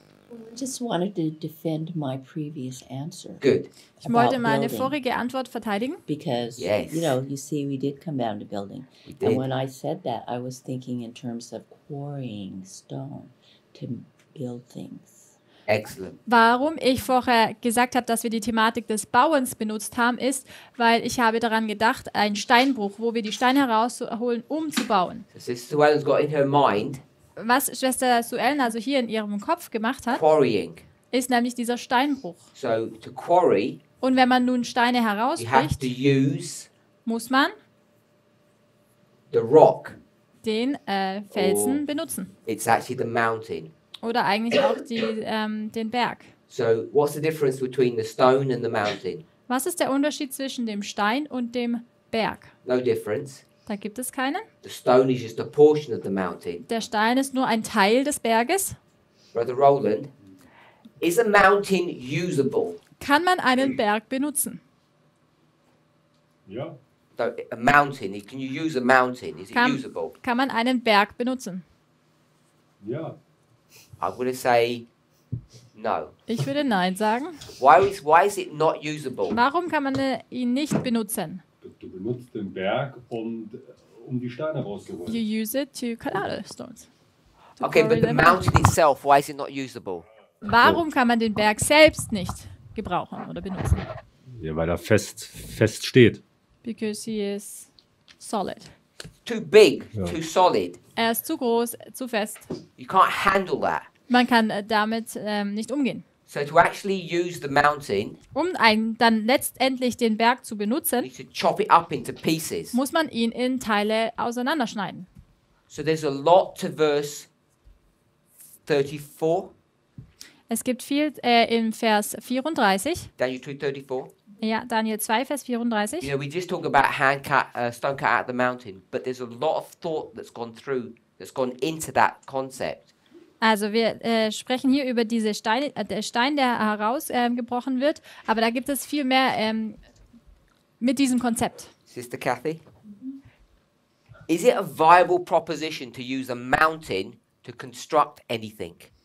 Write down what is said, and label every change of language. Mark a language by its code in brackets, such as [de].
[en] I just wanted to defend my previous answer. Good. [de] Ich wollte meine vorige Antwort verteidigen. [en] Because, yes. You know, you see, we did come down to building. We did. And when I said that, I was thinking in terms of quarrying stone to build things. Excellent. [de] Warum ich vorher gesagt habe, dass wir die Thematik des Bauens benutzt haben, ist, weil ich habe daran gedacht, ein Steinbruch, wo wir die Steine herausholen, um zu bauen. [en] So Suellen's got in her mind. [de] Was Schwester Suellen also hier in ihrem Kopf gemacht hat, [en] quarrying. [de] Ist nämlich dieser Steinbruch. [en] So, to quarry, [de] und wenn man nun Steine herausbricht, muss man [en] the rock, [de] den Felsen benutzen. [en] It's actually the mountain. [de] Oder eigentlich auch die, den Berg. [en] So, what's the difference between the stone and the mountain? [de] Was ist der Unterschied zwischen dem Stein und dem Berg? [en] No difference. [de] Da gibt es keinen. [en] The stone is just a portion of the mountain. [de] Der Stein ist nur ein Teil des Berges. [en] Brother Roland, is a mountain usable? [de] Kann man einen Berg benutzen? Ja. [en] A mountain, can you use a mountain? Is [de] kann, [en] it usable? [de] Kann man einen Berg benutzen? Ja. [en] I would say no. [de] Ich würde nein sagen. [en] Why is it not usable? [de] Warum kann man ihn nicht benutzen? Du benutzt den Berg, um die Steine rauszuholen. [en] You use it to cut out the stones. Okay, but the mountain itself, why is it not usable? [de] Warum kann man den Berg selbst nicht gebrauchen oder benutzen? Ja, weil er fest steht. [en] Because he is solid. Too big, too solid. [de] Er ist zu groß, zu fest. [en] You can't handle that. [de] Man kann damit nicht umgehen. [en] So to actually use the mountain, [de] um einen dann letztendlich den Berg zu benutzen, [en] you should chop it up into pieces. [de] Muss man ihn in Teile auseinanderschneiden. [en] So there's a lot to verse 34. [de] Es gibt viel in Vers 34. [en] Daniel 2:34. [de] Ja, Daniel 2, Vers 34. [en] You know, we just talk about hand cut, stone cut out of the mountain, but there's a lot of thought that's gone through, that's gone into that concept. [de] Also wir sprechen hier über diese Steine, der Stein, der herausgebrochen wird. Aber da gibt es viel mehr mit diesem Konzept. [en] Sister Kathy, is it a viable proposition to use a mountain to construct anything?